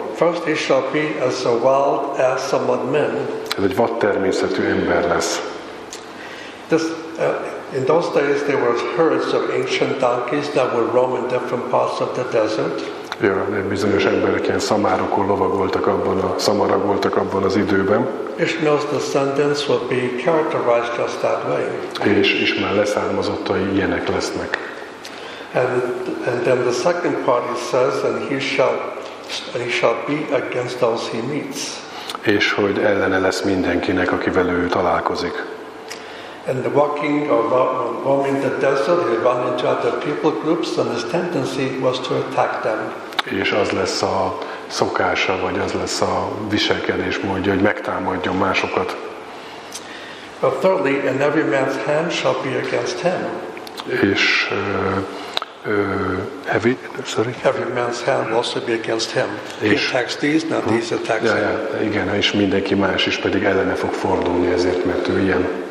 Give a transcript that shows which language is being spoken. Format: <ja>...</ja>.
<en>First, he shall be as a wild ass among men.</en> <hu>Ez egy vad természetű ember lesz.</hu> <en>This, in those days there were herds of ancient donkeys that would roam in different parts of the desert.</en> <hu>Ja, egy bizonyos emberek ilyen szamárokon lovagoltak abban a szamarak voltak abban az időben.</hu> <en>Ishmael's descendants will be characterized just that way.</en> <hu>És Ishmael leszármazottai ilyenek lesznek.</hu> <en>And then the second part he says, and he shall be against those he meets.</en> <hu>És hogy ellene lesz mindenkinek, akivel ő találkozik.</hu> <en>And the walking or roaming the desert, he ran into other people groups, and his tendency was to attack them.</en> <hu>És az lesz a szokása, vagy az lesz a viselkedés módja, hogy megtámadjon másokat.</hu> <en>But thirdly, and every man's hand shall be against him.</en> <hu>És</hu> <en>every man's hand will also be against him. He attacks these, not these attacks him.</en> <hu>Igen, és mindenki más is pedig ellene fog fordulni ezért, mert ő ilyen.</hu>